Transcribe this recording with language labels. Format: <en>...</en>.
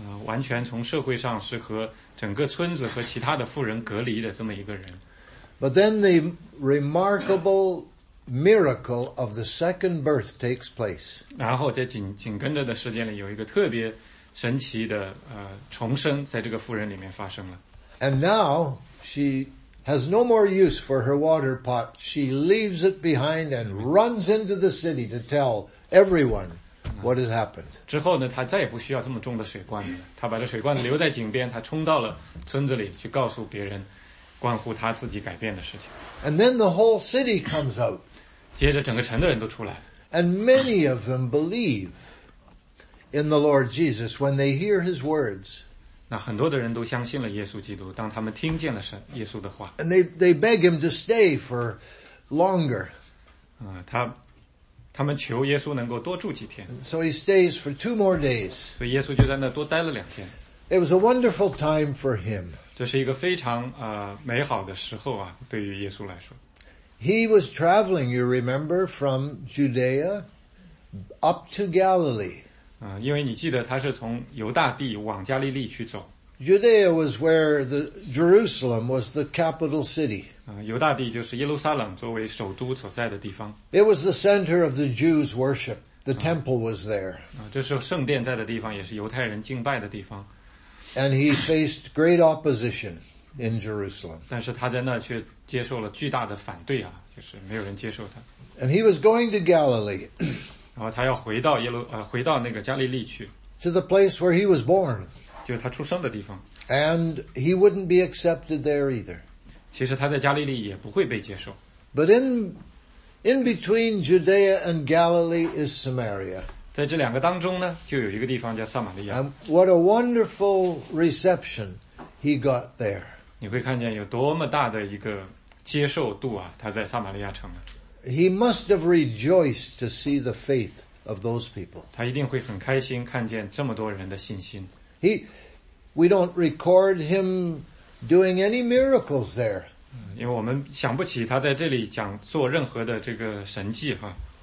<zh>完全从社会上是和整个村子和其他的妇人隔离的这么一个人。</zh> <en>But then the remarkable miracle of the second birth takes place.</en> <zh>然后在紧跟着的时间里，有一个特别神奇的重生在这个妇人里面发生了。</zh> <en>And now she has no more use for her water pot. She leaves it behind and runs into the city to tell everyone what had happened.</en> <zh>之后呢，她再也不需要这么重的水罐子了。她把这水罐子留在井边，她冲到了村子里去告诉别人关乎她自己改变的事情。</zh> <en>And then the whole city comes out.</en> <zh>接着整个城的人都出来了。</zh> <en>And many of them believe in the Lord Jesus when they hear his words.</en> <zh>那很多的人都相信了耶稣基督，当他们听见了耶稣的话。</zh> <en>And they beg him to stay for longer.</en> <zh>他们求耶稣能够多住几天。</zh> <en>So he stays for two more days.</en> <zh>所以耶稣就在那多待了两天。</zh> <en>It was a wonderful time for him.</en> <zh>这是一个非常美好的时候啊，对于耶稣来说。</zh> <en>He was traveling, you remember, from Judea up to Galilee.</en> <zh>因为你记得他是从犹大地往加利利去走。</zh> <en>Judea was where the Jerusalem was the capital city.</en> <zh>犹大地就是耶路撒冷作为首都所在的地方。</zh> <en>It was the center of the Jews' worship. The temple was there.</en> <zh>这是圣殿在的地方，也是犹太人敬拜的地方。</zh> <en>And he faced great opposition in Jerusalem.</en> <zh>但是他在那却接受了巨大的反对啊，就是没有人接受他。</zh> <en>And he was going to Galilee.</en> <zh>然后他要回到那个加利利去。</zh> <en>To the place where he was born.</en> <zh>就是他出生的地方。</zh> <en>And he wouldn't be accepted there either.</en> <zh>其实他在加利利也不会被接受。</zh> <en>But in between Judea and Galilee is Samaria.</en> <zh>在这两个当中呢，就有一个地方叫撒玛利亚。</zh> <en>And what a wonderful reception he got there.</en> <zh>你会看见有多么大的一个接受度啊，他在撒玛利亚城了。</zh> <en>He must have rejoiced to see the faith of those people.</en> <zh>他一定会很开心看见这么多人的信心。</zh> <en>We don't record him doing any miracles there.</en> <zh>因为我们想不起他在这里讲做任何的这个神迹哈。</zh>